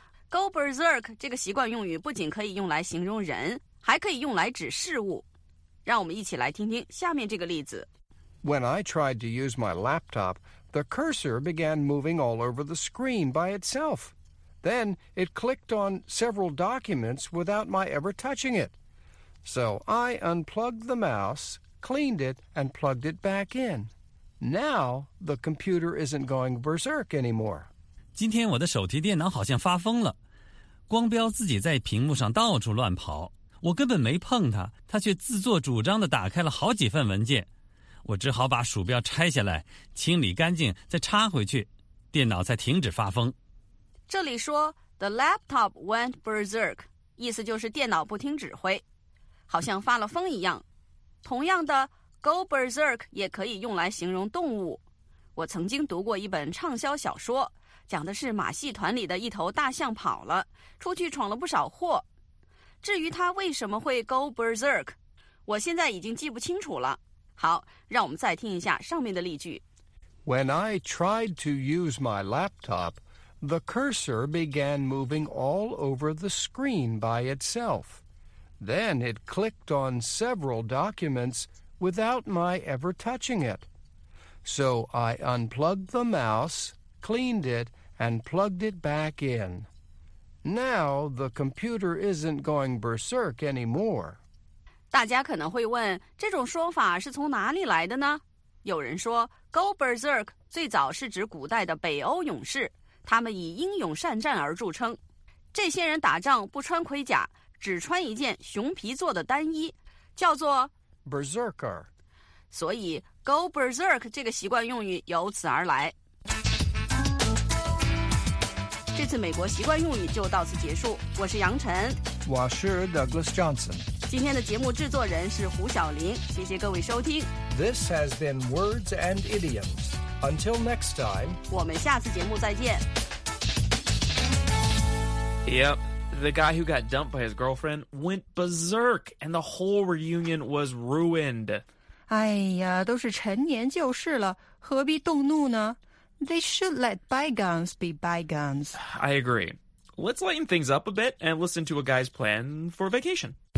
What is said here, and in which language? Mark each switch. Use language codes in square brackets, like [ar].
[en] Go berserk [zh] 这个习惯用语不仅可以用来形容人，还可以用来指事物。让我们一起来听听下面这个例子。 [en] When I tried to use my laptop, the cursor began moving all over the screen by itself. Then it clicked on several documents without my ever touching it. So I unplugged the mouse, cleaned it, and plugged it back in. Now the computer isn't going berserk anymore. [zh] 今天我的手提电脑好像发疯了，光标自己在屏幕上到处乱跑，我根本没碰它，它却自作主张地打开了好几份文件，我只好把鼠标拆下来，清理干净，再插回去，电脑才停止发疯。这里说 [en] The laptop went berserk， [zh] 意思就是电脑不听指挥，好像发了疯一样。同样的 [en] Go berserk [zh] 也可以用来形容动物。我曾经读过一本畅销小说，讲的是马戏团里的一头大象跑了，出去闯了不少祸。至于它为什么会 [en] go berserk， [zh] 我现在已经记不清楚了。好，让我们再听一下上面的例句。 [en] When I tried to use my laptop, the cursor began moving all over the screen by itself. Then it clicked on several documents without my ever touching it. So I unplugged the mouse... cleaned it, and plugged it back in. Now the computer isn't going berserk anymore. [zh] 大家可能会问，这种说法是从哪里来的呢？有人说 , [en] go berserk [zh] 最早是指古代的北欧勇士，他们以英勇善战而著称。这些人打仗不穿盔甲，只穿一件熊皮做的单衣，叫做 berserker. 所以 , [en] go berserk [zh] 这个习惯用语由此而来。这次美国习惯用语就到此结束，我是杨晨，我是 Douglas Johnson，今天的节目制作人是胡晓玲，谢谢各位收听。 [en] This has been Words and Idioms. Until next time， [zh] 我们下次节目再见。 [en] Yep, the guy who got dumped by his girlfriend went berserk and the whole reunion was ruined. [zh] 哎呀，都是陈年旧事了，何必动怒呢？ [en] They should let bygones be bygones. I agree. Let's lighten things up a bit and listen to a guy's plan for vacation.